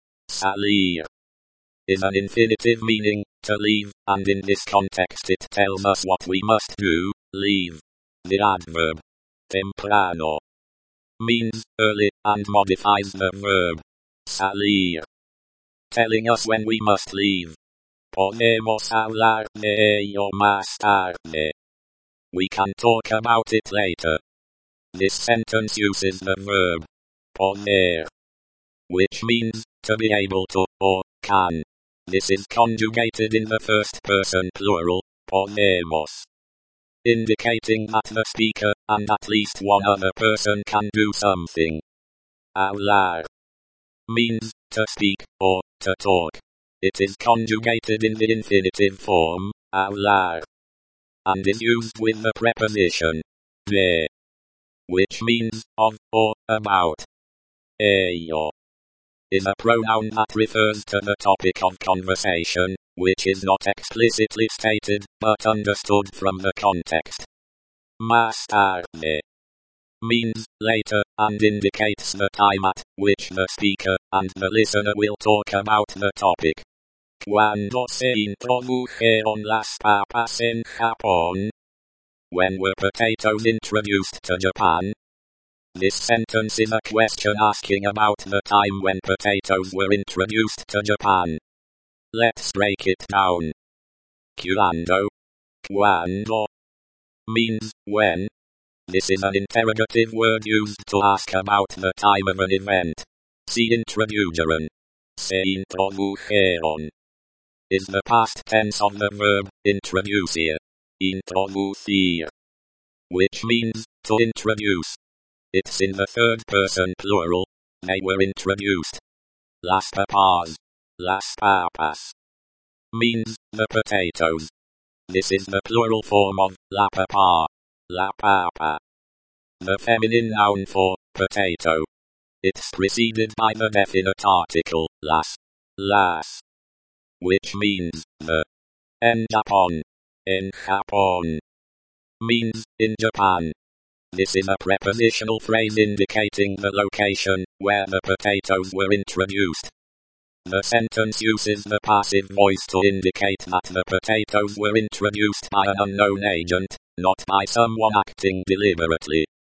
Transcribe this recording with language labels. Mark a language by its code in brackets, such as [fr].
[en] Salir is an infinitive meaning, to leave, and in this context it tells us what we must do, leave. The adverb temprano means early and modifies the verb salir, telling us when we must leave. [es] Podemos hablar de ello más tarde. [en] We can talk about it later. This sentence uses the verb poner, which means to be able to or can. This is conjugated in the first person plural, podemos, indicating that the speaker and at least one other person can do something. Hablar means to speak or to talk. It is conjugated in the infinitive form, hablar, and is used with the preposition de, which means of or about. Ello is a pronoun that refers to the topic of conversation, which is not explicitly stated, but understood from the context. [es] Más tarde [en] means later, and indicates the time at which the speaker and the listener will talk about the topic. [es] ¿Cuándo se introdujeron las papas en Japón? [en] When were potatoes introduced to Japan? This sentence is a question asking about the time when potatoes were introduced to Japan. Let's break it down. [es] ¿Cuándo? ¿Cuándo? [en] Means when. This is an interrogative word used to ask about the time of an event. See introdujeron. [es] Se introdujeron [en] is the past tense of the verb introducir. Introducir, which means to introduce. It's in the third person plural. They were introduced. [es] Las papas. Las papas [en] means the potatoes. This is the plural form of [es] la papa. La papa, [en] the feminine noun for potato. It's preceded by the definite article las. Las, which means the. [es] En Japón. En Japón [en] means in Japan. This is a prepositional phrase indicating the location where the potatoes were introduced. The sentence uses the passive voice to indicate that the potatoes were introduced by an unknown agent, not by someone acting deliberately.